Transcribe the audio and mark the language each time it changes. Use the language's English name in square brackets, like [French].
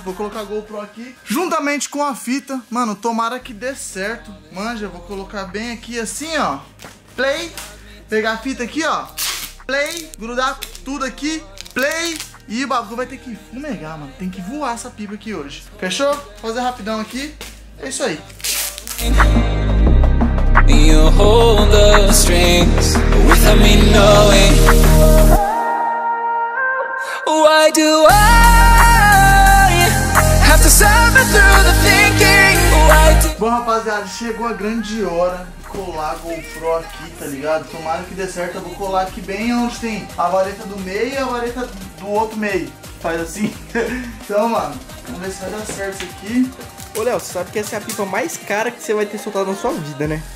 [Portuguese] Vou colocar a GoPro aqui, juntamente com a fita. Mano, tomara que dê certo. Manja, eu vou colocar bem aqui assim, ó. Play. Pegar a fita aqui, ó. Play. Grudar tudo aqui. Play. E o bagulho vai ter que fumegar, mano. Tem que voar essa pipa aqui hoje. Fechou? Vou fazer rapidão aqui. É isso aí. [English] You hold the strings without me knowing. Why do I have to suffer through the thinking? [Portuguese] Bom, rapaziada, chegou a grande hora de colar a GoPro aqui, tá ligado? Tomara que dê certo, eu vou colar aqui bem onde tem a vareta do meio e a vareta do outro meio. Faz assim. Então, mano, vamos ver se vai dar certo isso aqui. Ô, Léo, você sabe que essa é a pipa mais cara que você vai ter soltado na sua vida, né?